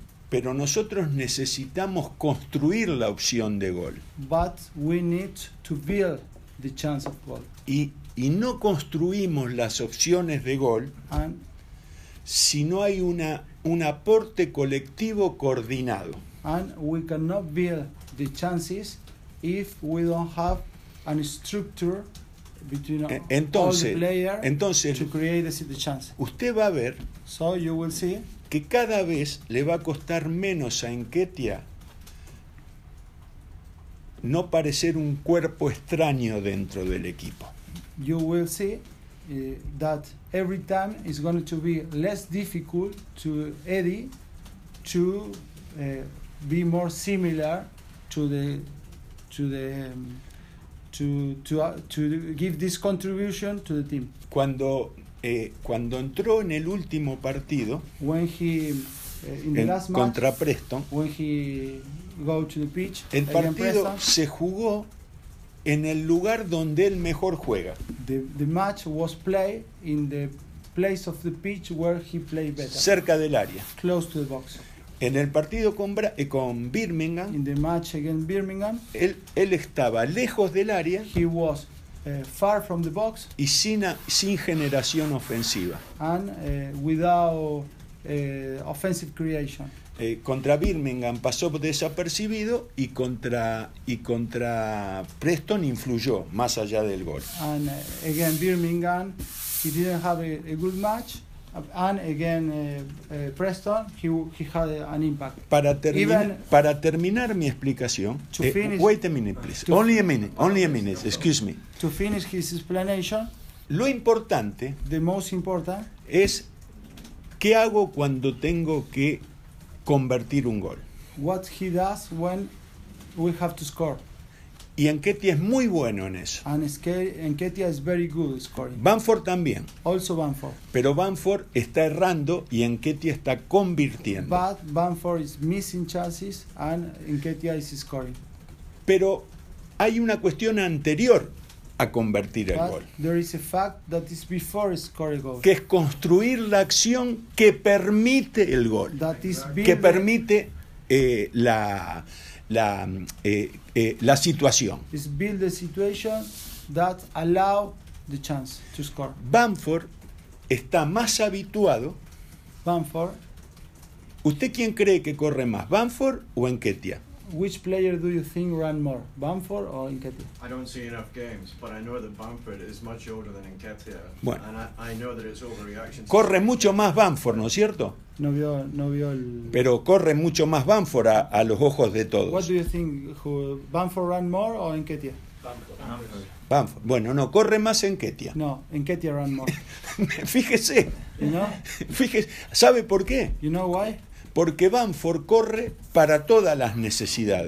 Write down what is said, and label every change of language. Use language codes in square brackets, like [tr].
[es] Pero nosotros necesitamos construir la opción de gol. [en] But we need to build the chance of goal. [es] Y no construimos las opciones de gol si no hay un aporte colectivo coordinado. [en] And we cannot build the chances if we don't have a structure between [es] entonces, [en] all the players. [es] Entonces, [en] to create the chance. [es] Usted va a ver, [en] so you will see, [es] que cada vez le va a costar menos a Nketiah no parecer un cuerpo extraño dentro del equipo. [en] You will see that every time it's going to be less difficult to Eddie to be more similar to give this contribution to the team. [es] Cuando entró en el último partido, [en] when he in the last match [es] contra Preston, [en] when he go to the pitch, [es] el partido se jugó en el lugar donde él mejor juega. [en] The match was played in the place of the pitch where he played better. [es] Cerca del área. [en] Close to the box. [es] En el partido con Birmingham. [en] In the match against Birmingham. [es] Él estaba lejos del área. [en] He was far from the box. [es] Y sin generación ofensiva. [en] And without offensive creation. [es] Contra Birmingham pasó desapercibido y contra Preston influyó más allá del gol. [en] And again Birmingham, he didn't have a good match. And again Preston, he had an impact. [es] Para terminar mi explicación. [en] Excuse me. To finish his explanation. [es] Lo importante. [en] The most important. [es] Es qué hago cuando tengo que convertir un gol. [en] What he does when we have to score. [es] Y Anquetia es muy bueno en eso. [en] And Anquetia is very good scoring. [es] Banford también. [en] Also Banford. [es] Pero Banford está errando y Anquetia está convirtiendo. [en] But Banford is missing chances and Anquetia is scoring. [es] Pero hay una cuestión anterior a convertir el [en] but [es] gol. [en] There is a fact that is before scoring goal. [es] Que es construir la acción que permite el gol. [en] That is [es] que permite la situación. [en] Is build the situation that allow the chance to score. [es] Banford está más habituado. [en] Banford. [es] ¿Usted quién cree que corre más, Banford o Anquetia? [en] Which player do you think ran more, Banford or Anquetia? I don't see enough games, but I know that Banford is much older than Anquetia. [es] Bueno. [en] And I know that it's overreaction. [es] Corre mucho más Banford, ¿no es cierto? No vio el. Pero corre mucho más Banford a los ojos de todos. [en] What do you think, who Banford ran more or Anquetia? Banford. [es] Bueno, no corre más Anquetia. [en] No, Anquetia ran more. [es] Fíjese. [en] You know? [es] Fíjese. ¿Sabe por qué? [en] You know why? [es] Porque Banford corre para todas las necesidades.